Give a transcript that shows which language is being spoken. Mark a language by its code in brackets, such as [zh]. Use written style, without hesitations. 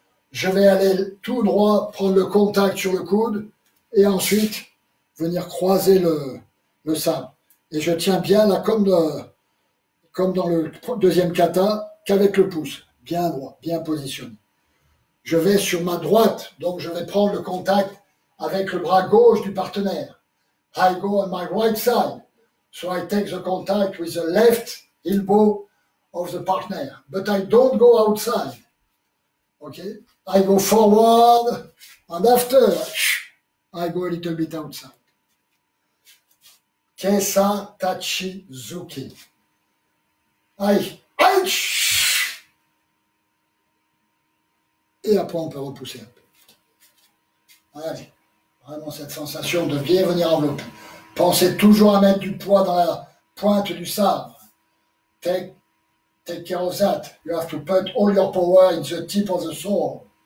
[fr] Je vais aller tout droit prendre le contact sur le coude et ensuite venir croiser le sabre. Et je tiens bien là, comme dans le deuxième kata, qu'avec le pouce, bien droit, bien positionné. Je vais sur ma droite, donc je vais prendre le contact avec le bras gauche du partenaire. [en] I go on my right side. So I take the contact with the left elbow of the partner. But I don't go outside. Okay? I go forward and after, I go a little bit outside. Kesa Tachizuki. Aïe, aïe. [fr] Et après, on peut repousser un peu. Allez, vraiment cette sensation de bien venir envelopper. Pensez toujours à mettre du poids dans la pointe du sabre. [en] Take care of that. You have to put all your power in the tip of the sword.